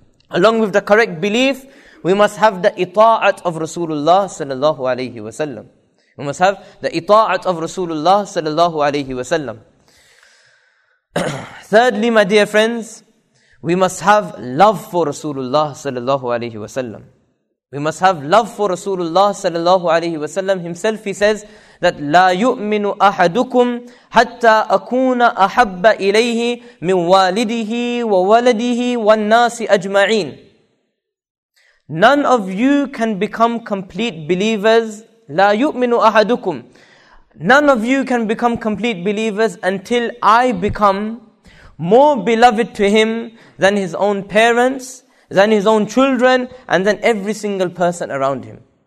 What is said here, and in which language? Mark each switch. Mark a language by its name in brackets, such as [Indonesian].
[English] Along with the correct belief, we must have the ita'at of Rasulullah sallallahu alaihi wasallam. We must have the ita'at of Rasulullah sallallahu alaihi wasallam. Thirdly, my dear friends, we must have love for Rasulullah sallallahu alaihi wasallam. We must have love for Rasulullah sallallahu alaihi wasallam. Himself, he says that, [Arabic] لا يؤمن أحدكم حتى أكون أحب إليه من والده وولده والناس أجمعين. [English] None of you can become complete believers. [Arabic] لا يؤمن أحدكم. [English] None of you can become complete believers until I become more beloved to him than his own parents, than his own children, and than every single person around him.